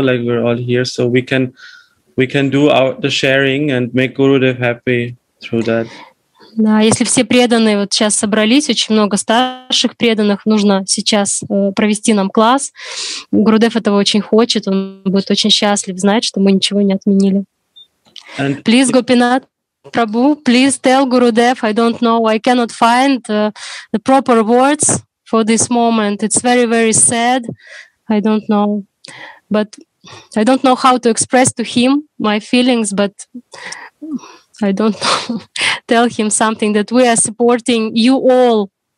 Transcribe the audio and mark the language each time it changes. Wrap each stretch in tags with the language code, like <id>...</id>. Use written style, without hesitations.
<en>Like we're all here, so we can do the sharing and make Gurudev happy through that.</en> <ru>Да, если все преданные вот сейчас собрались, очень много старших преданных, нужно сейчас провести нам класс. Гурудев этого очень хочет, он будет очень счастлив знать, что мы ничего не отменили.</ru> <en>And please, Gopinath Prabhu, please tell Gurudev, I don't know, I cannot find the proper words for this moment. It's very, very sad, I don't know. But I don't know how to express to him my feelings, but I don't tell him something that we are supporting you all.</en>